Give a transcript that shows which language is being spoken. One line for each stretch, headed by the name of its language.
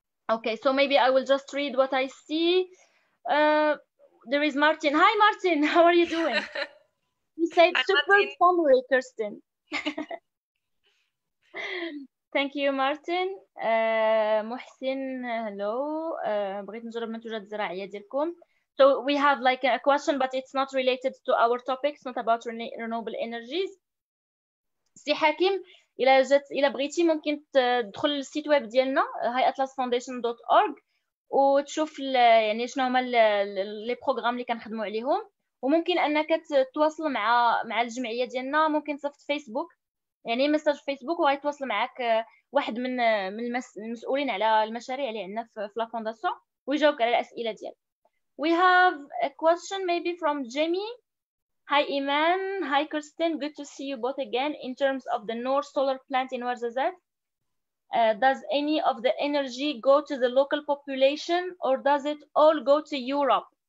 English: Okay so maybe I will just read what I see. There is Martin. Hi Martin, how are you doing? You said super summary Kirsten. Thank you, Martin. Mohsin, hello.
Arabic: بغيت نجرب منتوجات زراعية ديالكم.
English: So we have like a question, but it's not related to our topic. It's not about renewable energies.
Arabic: سي حكيم، إلا بغيتي ممكن تدخل السيت ويب ديالنا highatlasfoundation.org وتشوف يعني شنو هما لي بروغرام اللي كنخدموا عليهم، وممكن أنك تتواصل مع الجمعية ديالنا، ممكن تصيفط فيسبوك يعني مساج فيسبوك وغيتواصل معاك واحد من المسؤولين على المشاريع اللي عندنا في
French: لا فونداسيون
Arabic: ويجاوبك على الاسئله ديالك.
English: We have a question maybe from Jamie. Hi Iman, hi Kristen, good to see you both again. In terms of the north solar plant in Ouarzazate, does any of the energy go to the local population or does it all go to Europe?